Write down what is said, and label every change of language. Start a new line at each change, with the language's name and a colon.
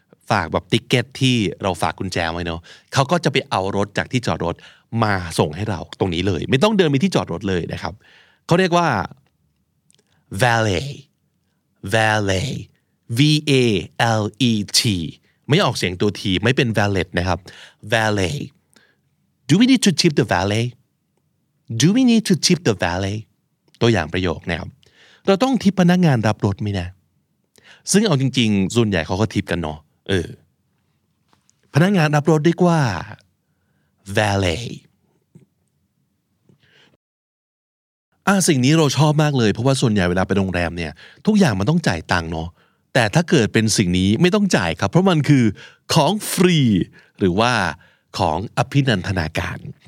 Thai: ฝากแบบติ๊กเก็ตที่เราฝากกุญแจไว้เนาะเขาก็จะไปเอารถจากที่จอดรถมาส่งให้เราตรงนี้เลยไม่ต้องเดินไปที่จอดรถเลยนะครับเขาเรียกว่า valetVALET ไม่ออกเสียงตัว T ไม่เป็น valet นะครับ valet
English: Do we need to tip the valet? Do we need to tip the valet?
Thai: ตัวอย่างประโยคนะครับเราต้องทิปพนักงานรับรถไหมนะซึ่งเอาจริงๆส่วนใหญ่เขาก็ทิปกันเนาะเออพนักงานรับรถเรียกว่า valet สิ่งนี้เราชอบมากเลยเพราะว่าส่วนใหญ่เวลาไปโรงแรมเนี่ยทุกอย่างมันต้องจ่ายตังค์เนาะแต่ถ้าเกิดเป็นสิ่งนี้ไม่ต้องจ่ายครับเพราะมันคือของฟรีหรือว่าของอภินันทนาการ